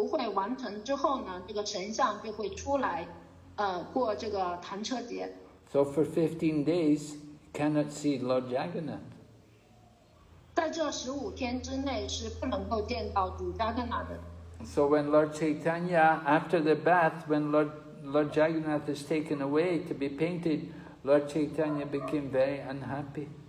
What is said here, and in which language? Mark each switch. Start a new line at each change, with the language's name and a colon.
Chinese: 就是这个涂绘完成之后呢，这个神像就会出来。
English: So for 15 days, you cannot see Lord Jagannath.
Chinese: 在这15天之内是不能够见到主迦格纳的。
English: So when Lord Chaitanya, after the bath, when Lord Jagannath is taken away to be painted, Lord Chaitanya became very unhappy.